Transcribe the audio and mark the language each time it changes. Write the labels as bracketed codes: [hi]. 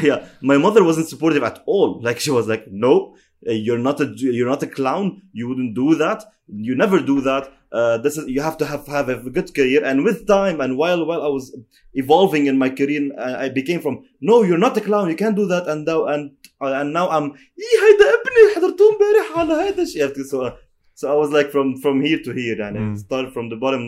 [en] Yeah. My mother wasn't supportive at all. Like, she was like, no, you're not a clown. You wouldn't do that. You never do that. You have to have a good career. And with time, and while I was evolving in my career, I became from, no, you're not a clown, you can't do that. And now I'm, [ar] هيدا ابني حضرتوه امبارح على هذا الشيء. [en] So I was like from here to here, and it started from the bottom.